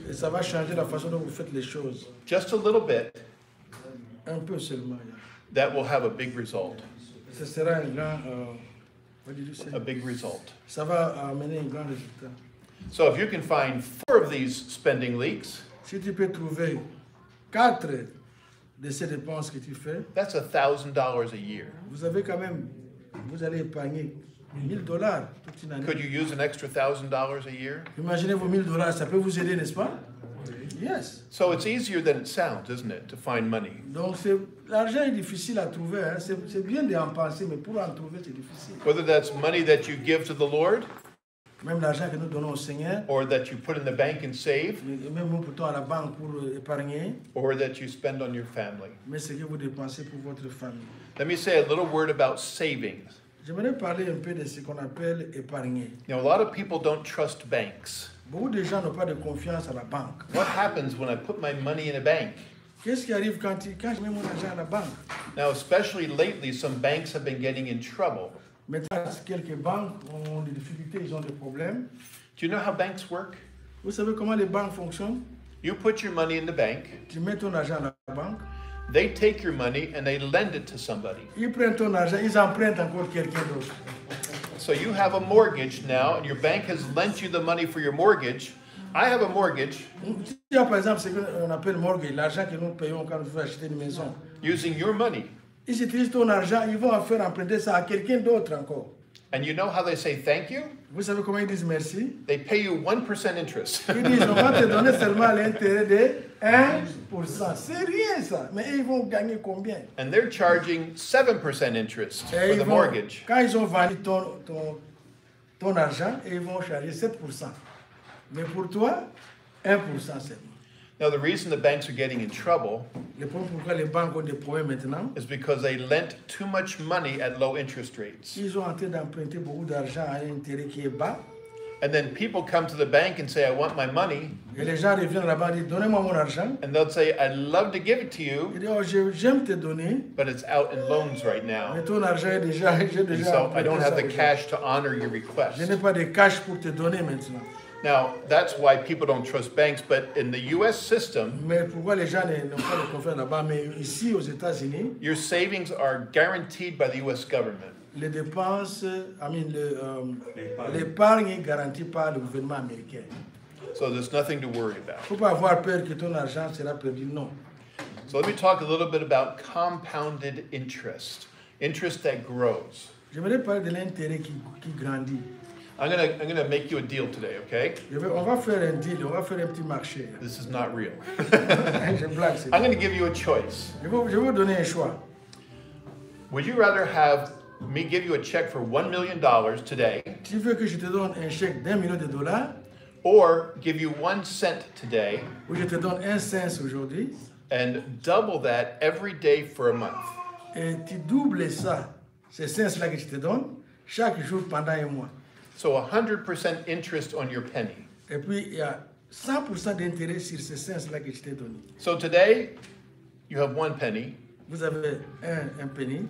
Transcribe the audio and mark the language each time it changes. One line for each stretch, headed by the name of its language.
French: Et ça va changer la façon dont vous faites les choses.
English: Just a little bit.
French: Un peu seulement. Yeah.
English: That will have a big result.
French: Ce sera un grand,
English: what did you say? A big result.
French: Ça va amener un grand résultat.
English: So if you can find 4 of these spending leaks.
French: Si tu peux trouver 4 de ces dépenses que tu fais.
English: That's $1,000 a year.
French: Vous avez quand même, vous allez épargner.
English: Could you use an extra $1,000 a year?
French: Imaginez-vous $1,000, ça peut vous aider, n'est-ce pas? Yes.
English: So it's easier than it sounds, isn't it, to find money?
French: Donc l'argent est difficile à trouver. Hein? C'est bien d'en penser, mais pour en trouver, c'est difficile.
English: Whether that's money that you give to the Lord,
French: Même l'argent que nous donnons au Seigneur,
English: or that you put in the bank and save,
French: même plutôt à la banque pour épargner,
English: or that you spend on your family.
French: Mais ce que vous dépensez pour votre famille.
English: Let me say a little word about savings.
French: J'aimerais parler un peu de ce qu'on appelle épargner.
English: Now, a lot of people don't trust banks.
French: Beaucoup de gens n'ont pas de confiance à la banque.
English: What happens when I put my money in a bank?
French: Qu'est-ce qui arrive quand je mets mon argent à la banque?
English: Now, especially lately, some banks have been getting in trouble.
French: Maintenant, quelques banques ont des difficultés, ils ont des problèmes.
English: Do you know how banks work?
French: Vous savez comment les banques fonctionnent?
English: You put your money in the bank.
French: Tu mets ton argent à la banque.
English: They take your money and they lend it to somebody.
French: Ils prennent ton argent, ils empruntent encore quelqu'un d'autre.
English: So you have a mortgage now, and your bank has lent you the money for your mortgage. I have a mortgage.
French: Par exemple, ce qu'on appelle mortgage, l'argent que nous payons quand nous voulons acheter une maison.
English: Using your money.
French: Ils utilisent ton argent, ils vont faire emprunter ça à quelqu'un d'autre encore.
English: And you know how they say thank you?
French: Vous savez comment ils disent merci?
English: They pay you 1% interest.
French: Ils disent, on va te donner seulement l'intérêt de 1%. C'est rien ça. Mais ils vont gagner combien?
English: And they're charging 7% interest
French: et
English: for the
French: vont,
English: mortgage.
French: Quand ils ont vendu ton argent, ils vont charger 7%. Mais pour toi, 1% seulement.
English: Now, the reason the banks are getting in trouble is because they lent too much money at low interest rates. And then people come to the bank and say, I want my money. And they'll say, I'd love to give it to you, but it's out in loans right now. And so I don't have the cash to honor your request. Now, that's why people don't trust banks, but in the U.S. system, your savings are guaranteed by the U.S. government.
French: Les dépenses,
English: I mean,
French: l'épargne est garantie par le gouvernement américain.
English: So there's nothing to worry about.
French: Faut pas avoir peur que ton argent sera perdu, non.
English: So let me talk a little bit about compounded interest, interest that grows.
French: J'aimerais parler de l'intérêt qui grandit.
English: I'm gonna make you a deal today, okay?
French: On va faire un deal, on va faire un petit marché.
English: This is not real.
French: Je blague, c'est
English: I'm gonna give you a choice.
French: Je vais vous donner un choix.
English: Would you rather have me give you a check for $1 million today?
French: Tu veux que je te donne un chèque $1 million?
English: Or give you 1 cent today?
French: Ou je te donne 1 cent aujourd'hui?
English: And double that every day for a month.
French: Et tu doubles ça, ces 5 cents-là que je te donne, chaque jour pendant un mois.
English: So 100% interest on your penny.
French: Et puis, il y a 100% d'intérêt sur ces cents-là que je t'ai donné.
English: So today, you have 1 penny.
French: Vous avez un penny.